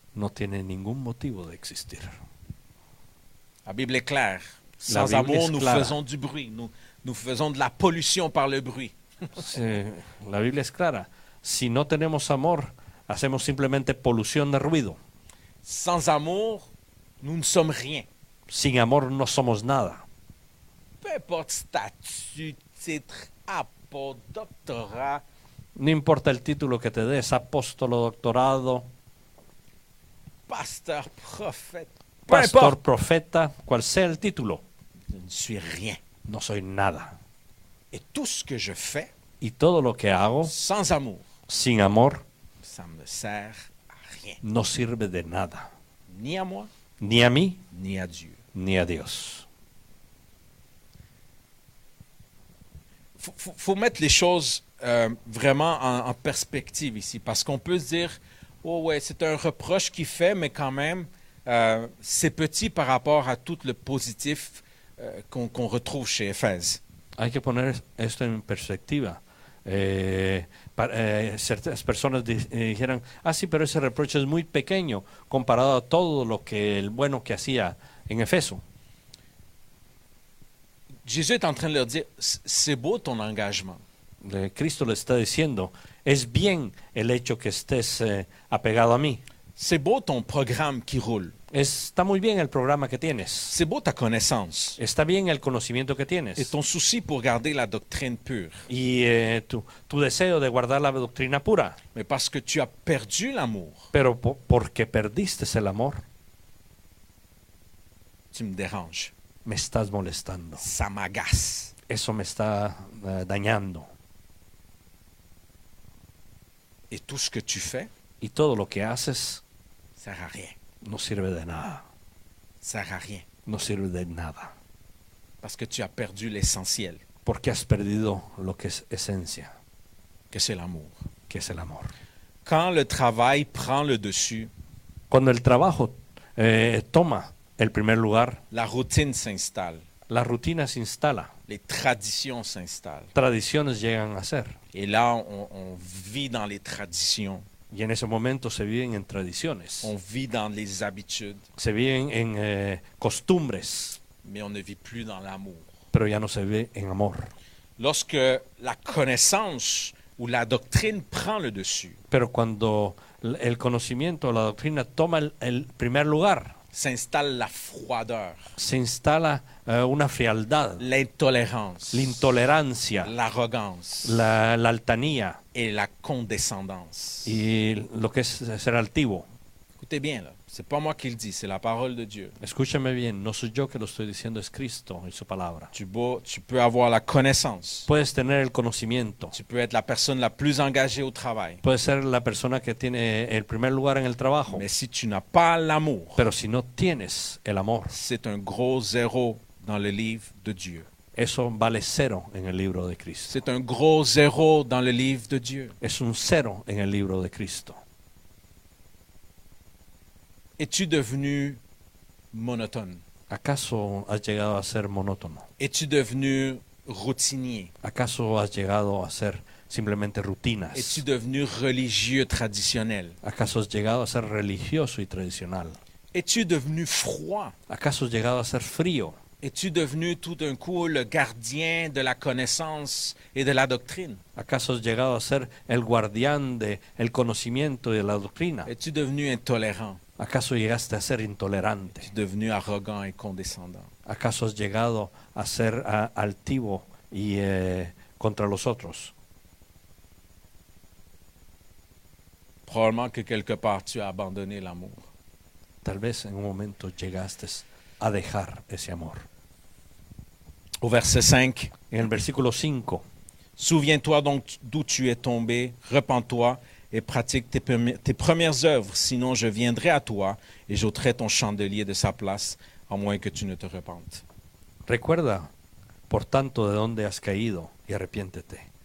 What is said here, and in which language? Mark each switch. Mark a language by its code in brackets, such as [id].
[es] No tiene ningún motivo de existir. [fr] La Bible est claire. Sans amour, nous faisons du bruit, nous faisons de la pollution par le bruit. [es] La Biblia es clara. Si no tenemos amor, hacemos simplemente polución de ruido. [fr] Sans amour, nous ne sommes rien. [es] Sin amor, no somos nada. [fr] Peu importe statut, titre, apôtre, doctorat. [es] No importa el título que te des, apóstolo, doctorado. [fr] Pasteur, prophète. [es] Pastor, profeta, cual sea el título. [fr] Je ne suis rien. [es] No soy nada. [fr] Et tout ce que je fais. [es] Y todo lo que hago. [fr] Sans amour. [es] Sin amor. [fr] Ça me sert. [es] No sirve de nada. [fr] Ni a moi. [es] Ni a mí. [fr] Ni a Dieu. [es] Ni a Dios. [fr] Faut mettre les choses vraiment en perspective ici. Parce qu'on peut se dire, oh ouais, c'est un reproche qu'il fait, mais quand même, c'est petit par rapport à tout le positif qu'on retrouve chez Éphèse. [es] Hay que poner esto en perspectiva. Ciertas personas dijeran, sí, pero ese reproche es muy pequeño comparado a todo lo que el bueno que hacía en Efeso. [fr] Jesús [es] está [fr] en train de leur dire, c'est beau ton engagement. [es] Cristo le está diciendo, es bien el hecho que estés apegado a mí. [fr] C'est beau ton programme qui roule. [es] Está muy bien el programa que tienes. [fr] C'est beau ta connaissance. [es] Está bien el conocimiento que tienes. [fr] Et ton souci pour garder la doctrine pure. [es] Y tu deseo de guardar la doctrina pura. [fr] Mais parce que tu as perdu l'amour. [es] Pero porque perdiste el amor. [fr] Tu me déranges. [es] Me estás molestando. [fr] Ça m'agace. [es] Eso me está dañando. [fr] Et tout ce que tu fais. [es] Y todo lo que haces [fr] sert à rien. [es] No sirve de nada. [fr] Sert à rien. [es] No sirve de nada. [fr] Parce que tu as perdu l'essentiel. [es] Porque has perdido lo que es esencia. [fr] Que c'est l'amour. [es] Que es el amor. [fr] Quand le travail prend le dessus. [es] Cuando el trabajo toma el primer lugar. [fr] La routine s'installe. [es] La rutina se instala. [fr] Les traditions s'installent. [es] Tradiciones llegan a ser. [fr] Et là on vit dans les traditions. [es] Y en ese momento se viven en tradiciones. [fr] On vit dans les habitudes. [es] Se viven en costumbres. [fr] Mais on ne vit plus dans l'amour. [es] Pero ya no se vive en amor. [fr] Lorsque la connaissance ou la doctrine prend le dessus. [es] Pero cuando el conocimiento o la doctrina toma el primer lugar. [fr] s'installe la froideur. [es] S'installa una frialdad. [fr] L'intolérance. [es] L'intolerancia. [fr] L'arrogance. [es] L'altanía. [fr] Et la condescendance. [es] Y lo que es ser altivo. [fr] Écoutez bien, là. C'est pas moi qui le dis, c'est la parole de Dieu. [es] Escúchame bien, no soy yo que lo estoy diciendo, es Cristo y su palabra. [fr] Tu peux avoir la connaissance. [es] Puedes tener el conocimiento. [fr] Tu peux être la personne la plus engagée au travail. [es] Puedes ser la persona que tiene el primer lugar en el trabajo. [fr] Mais si tu n'as pas l'amour. [es] Pero si no tienes el amor. [fr] C'est un gros zéro dans le livre de Dieu. [es] Eso vale cero en el libro de Cristo. [fr] C'est un gros zéro dans le livre de Dieu. [es] Es un cero en el libro de Cristo. [fr] Es-tu devenu monotone? [es] ¿Acaso has llegado a ser monótono? [fr] Es-tu devenu routinier? [es] ¿Acaso has llegado a ser simplemente rutinas? [fr] Es-tu devenu religieux traditionnel? [es] ¿Acaso has llegado a ser religioso y tradicional? [fr] Es-tu devenu froid? [es] ¿Acaso has llegado a ser frío? [fr] Es-tu devenu tout d'un coup le gardien de la connaissance et de la doctrine? [es] ¿Acaso has llegado a ser el guardián del conocimiento y de la doctrina? [fr] Es-tu devenu intolérant? [es] ¿Acaso llegaste a ser intolerante? [fr] Es devenu arrogant et condescendant. [es] ¿Acaso has llegado a ser altivo y contra los otros? [fr] Probablement que quelque part tu as abandonné l'amour. [es] Tal vez en un momento llegaste a dejar ese amor. [fr] Au verset 5, [es] en el versículo 5. [fr] Souviens-toi donc d'où tu es tombé, repens-toi. Et pratique tes premières œuvres, sinon je viendrai à toi et j'ôterai ton chandelier de sa place, à moins que tu ne te repentes. [es] Recuerda, por tanto, de dónde has caído y arrepiéntete.